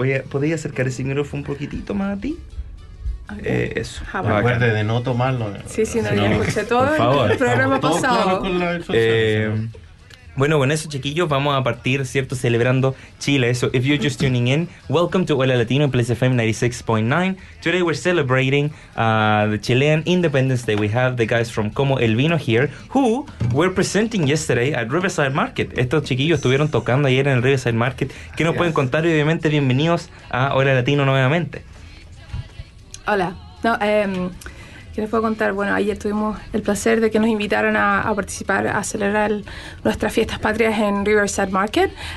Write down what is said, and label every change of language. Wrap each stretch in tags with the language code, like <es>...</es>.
<es>¿Podría acercar ese micrófono un poquitito más a ti? Eso. Acuérdate de no tomarlo. Sí, sí, no, lo escuché todo el programa todo pasado. Claro con la Bueno, con eso, chiquillos, vamos a partir, ¿cierto?, celebrando Chile.</es> <en>So, if you're just tuning in, welcome to Hola Latino en Place FM 96.9. Today we're celebrating the Chilean Independence Day. We have the guys from Como El Vino here, who were presenting yesterday at Riverside Market.</en> <es>Estos chiquillos estuvieron tocando ayer en el Riverside Market. ¿Qué nos pueden contar? Obviamente, bienvenidos a Hola Latino nuevamente. Hola. No, ¿qué les puedo contar? Bueno, ayer tuvimos el placer de que nos invitaran a participar, a celebrar nuestras fiestas patrias en Riverside Market.</es>